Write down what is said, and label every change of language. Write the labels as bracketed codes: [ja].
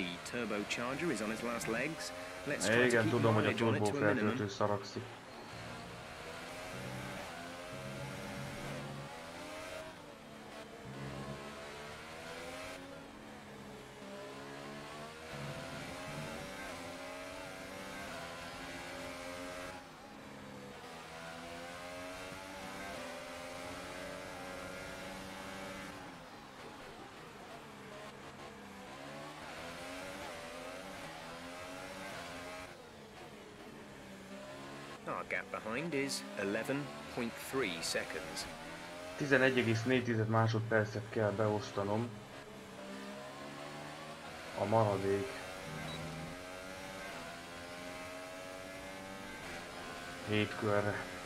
[en] Turbocharger is on its last legs. [hu] Igen, tudom, hogy a turbó feltöltő szaragszik. [en] Our gap behind is 11.3 seconds. [hu] 11,4 másodpercet kell beosztanom. A maradék. 7 körre.